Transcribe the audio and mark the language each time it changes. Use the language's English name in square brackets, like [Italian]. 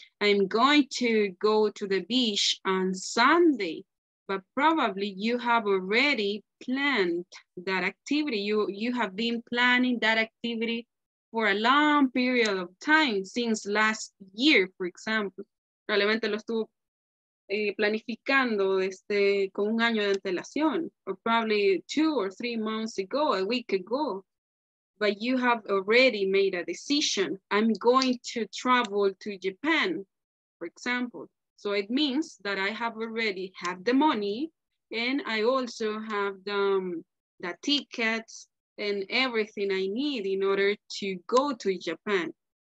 [English] I'm going to go to the beach on Sunday, but probably you have already planned that activity. You have been planning that activity for a long period of time since last year, for example. [Spanish] Probablemente lo estuvo planificando desde con un año de antelación, [English] or probably 2 or 3 months ago, a week ago. But you have already made a decision. I'm going to travel to Japan, for example. So it means that I have already had the money and I also have the tickets and everything I need in order to go to Japan.